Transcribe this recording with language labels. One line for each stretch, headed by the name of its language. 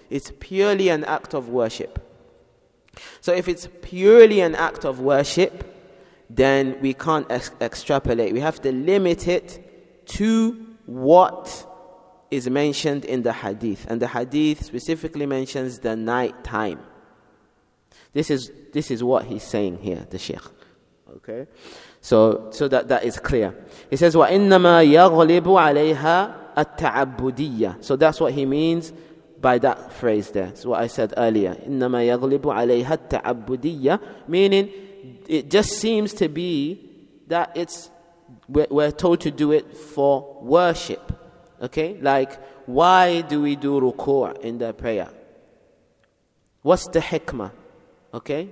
English: It's purely an act of worship. So if it's purely an act of worship, then we can't extrapolate. We have to limit it to what is mentioned in the hadith. And the hadith specifically mentions the night time. This is what he's saying here, the Sheikh. Okay? So that is clear. He says,
Arabic: وَإِنَّمَا يَغْلِبُ عَلَيْهَا التَّعَبُّدِيَّةِ.
English: So that's what he means by that phrase there. It's what I said earlier.
Arabic: إِنَّمَا يَغْلِبُ عَلَيْهَا التَّعَبُّدِيَّةِ.
English: Meaning, it just seems to be that we're told to do it for worship. Okay? Like, why do we do ruku' in the prayer? What's the hikmah? Okay?